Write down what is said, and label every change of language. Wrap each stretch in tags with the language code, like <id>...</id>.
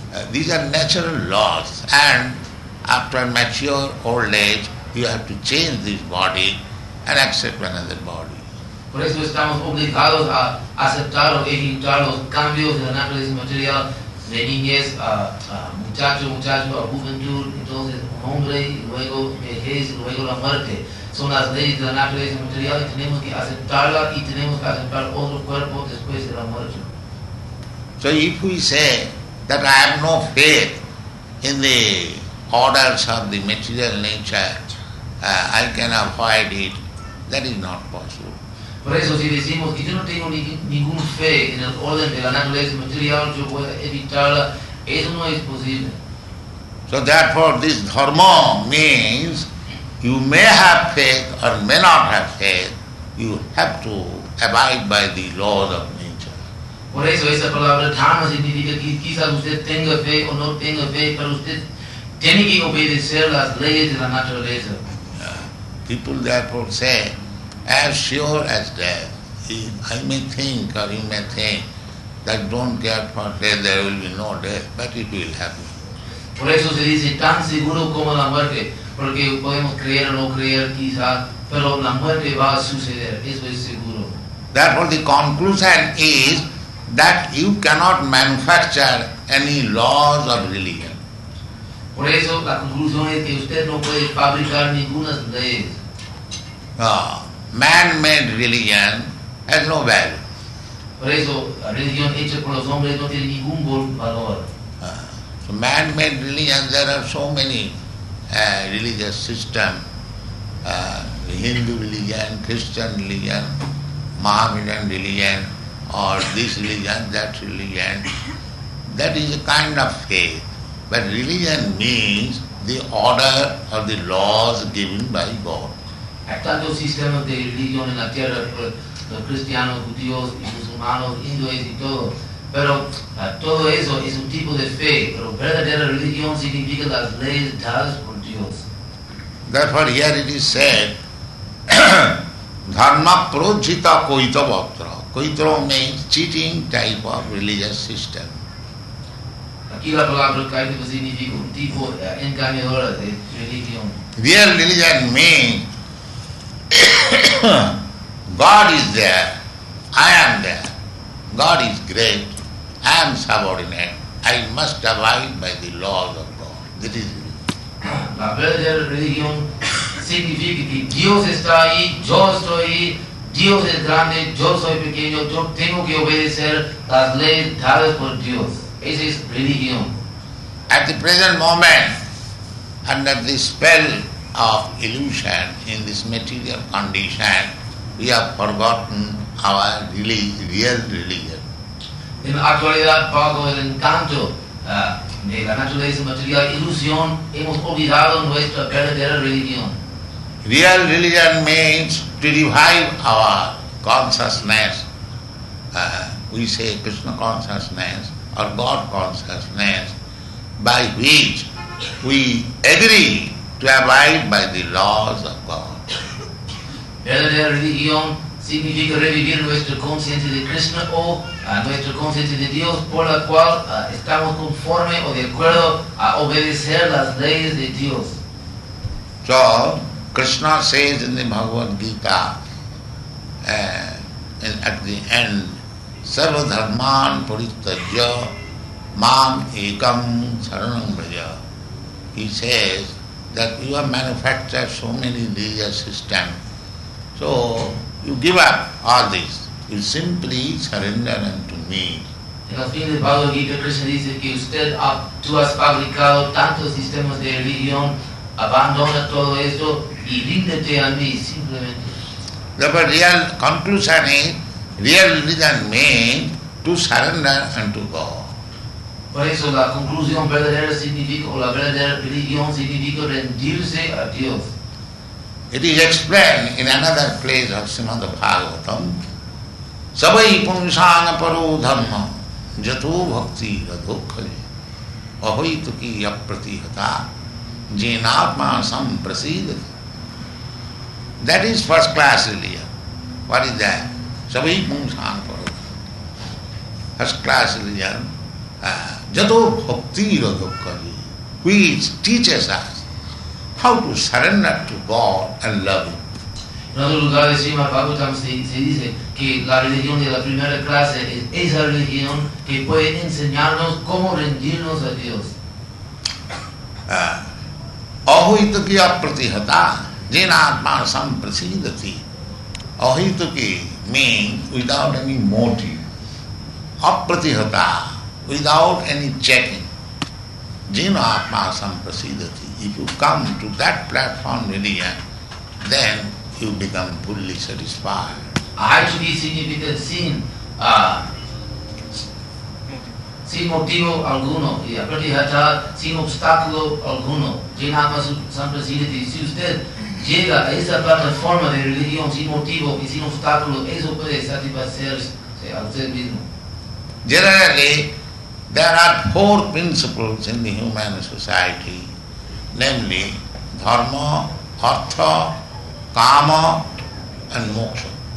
<en>These are natural laws, and after mature old age, you have to change this body and accept another body.</en> <es>Por eso estamos obligados a aceptar o evitar los cambios de la naturaleza material de niñez a muchacho, a juventud, entonces hombre, luego vejez, luego la muerte. Son las leyes de la naturaleza material y tenemos que aceptarla y tenemos que aceptar otro cuerpo después de la muerte.</es> <en>So if we say that I have no faith in the orders of the material nature, I can avoid it, that is not possible.</en> <es>Por eso si decimos que yo no tengo ningún fe en el orden de la naturaleza material, yo voy a evitarla, eso no es posible.</es> <en>So therefore this dharma means you may have faith or may not have faith, you have to abide by the laws of nature.</en> <es>Por eso esa palabra dharma significa que quizás usted tenga fe o no tenga fe, pero usted tiene que obedecer las leyes de la naturaleza.</es> <en>People therefore say, as sure as death, I may think or you may think that don't care for death, there will be no death, but it will happen.</en> <es>Por eso se dice tan seguro como la muerte, porque podemos creer o no creer quizás, pero la muerte va a suceder, eso es seguro.</es> <en>Therefore the conclusion is that you cannot manufacture any laws of religion.</en> <es>Por eso la conclusión es que usted no puede fabricar ninguna ley.</es> <en>Man-made religion has no value.</en> <es>Por eso la religión hecha por los hombres no tiene ningún valor.</es> <en>So man-made religion, there are so many religious systems, Hindu religion, Christian religion, Mohammedan religion, or this religion, that religion. That is a kind of faith. But religion means the order or the laws given by God.</en> <es>Hay tantos sistemas de religión en la tierra, los cristianos, judíos, musulmanos, hindúes y todo. Pero todo eso es un tipo de fe, pero verdadera religión significa las leyes dadas por Dios.</es> <en>Therefore here it is said,</en> <sa>dharma prochita koita vatra.</sa> <en>Koita means cheating type of religious system.</en> <es>Aquí la palabra kaita significa un tipo engañador de religión.</es> <en>Real religion means God is there, I am there, God is great, I am subordinate, I must abide by the laws of God. This is it.</en> <es>La verdadera religión significa que Dios está ahí, yo estoy ahí, Dios es grande, yo soy pequeño, yo tengo que obedecer las leyes dadas por Dios. Esa es religión.</es> <en>At the present moment, under the spell of illusion in this material condition, we have forgotten our real religion.</en> <es>En la actualidad, bajo el encanto de la naturaleza material, ilusión, hemos olvidado nuestra verdadera religión.</es> <en>Real religion means to revive our consciousness. We say Krishna consciousness or God consciousness, by which we agree to abide by the laws of God.</en> <es>Eller religion significa revivir nuestra conciencia de Krishna o nuestra conciencia de Dios por la cual estamos conforme o de acuerdo a obedecer las leyes de Dios.</es> <en>So, Krishna says in the Bhagavad Gita, at the end,</en> <sa>sarva dharman purityajya mam ekam saranam braja.</sa> <en>He says that you have manufactured so many religious systems, so you give up all this. You simply surrender unto me.</en> <es>En el fin de Bhagavad Gita, Krishna dice que usted ha, tú has fabricado tantos sistemas de religión, abandona todo esto y ríndete a mí simplemente.</es> <en>The real conclusion is, real religion means to surrender unto God.</en> <es>Por eso la conclusión verdadera significa, o la verdadera religión significa rendirse a Dios.</es> <en>It is explained in another place of Srimad Bhagavatam.</en> <sa>Sabai punsana paro dhamma jato bhakti radhokhale ahoituki apratihata jenatma sam prasidati.</sa> <en>That is first class religion. What is that?</en> <sa>Sabai punsana paro dhamma.</sa> <en>First class religion</en> <sa>jato bhakti radhokhale,</sa> <en>which teaches us how to surrender to God and love Him.</en> <es>En otro lugar de Srimad Bhagavatam se dice que la religión de la primera clase es esa religión que puede enseñarnos cómo rendirnos a Dios.</es> <sa>Ahuituki apratihata jenatma samprasidati.</sa> <en>Ahuituki means without any motive. Apratihata, without any checking.</en> <sa>Jenatma samprasidati.</sa> <en>If you come to that platform religion, then you become fully satisfied.</en> <es>Actually, significa sin sin motivo alguno, y a pratihata, sin obstáculo alguno.</es> <sa>Jenatma samprasidati.</sa> <es>Si usted llega a esa plataforma de religión sin motivo y sin obstáculo, eso puede satisfacerse a usted mismo.</es> <en>Generally, there are four principles in the human society. Namely, dharma, artha, kama, and moksha.</en>